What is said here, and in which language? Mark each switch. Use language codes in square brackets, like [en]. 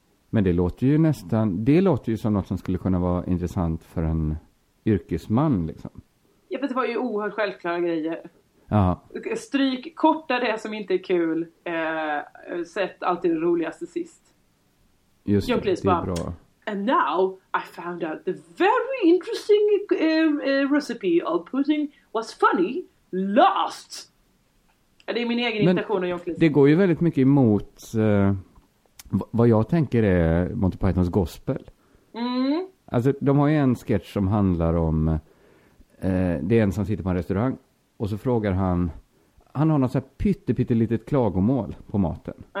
[sv] Men det låter ju nästan, det låter ju som något som skulle kunna vara intressant för en yrkesman liksom. Ja, för det var ju oerhört självklara grejer. Ja. Stryk korta det som inte är kul, sätt alltid det roligaste sist. Just det, det är bra. [en] And now I found out the very interesting recipe of putting what's funny last. [sv] Det är min egen intention av John Cleese. Det går ju väldigt mycket emot vad jag tänker är Monty Pythons gospel. Mm. Alltså, de har ju en sketch som handlar om det är en som sitter på en restaurang och så frågar han, han har något så här pyttelitet klagomål på maten.